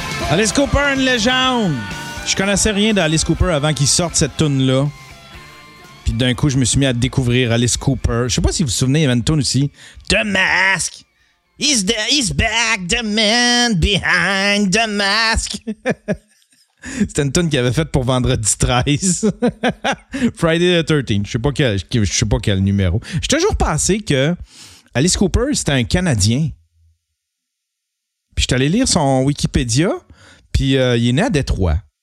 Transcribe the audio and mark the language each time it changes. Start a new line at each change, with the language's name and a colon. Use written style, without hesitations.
French: Alice Cooper, une légende! Je connaissais rien d'Alice Cooper avant qu'il sorte cette toune-là. Puis d'un coup, je me suis mis à découvrir Alice Cooper. Je sais pas si vous vous souvenez, il y avait une toune aussi.
English: The Mask! He's back, the man behind the mask!
French: C'était une toune qu'il avait faite pour Vendredi 13. Friday the 13th. Je sais pas quel numéro. J'ai toujours pensé que Alice Cooper, c'était un Canadien. Puis je suis allé lire son Wikipédia, puis il est né à Détroit.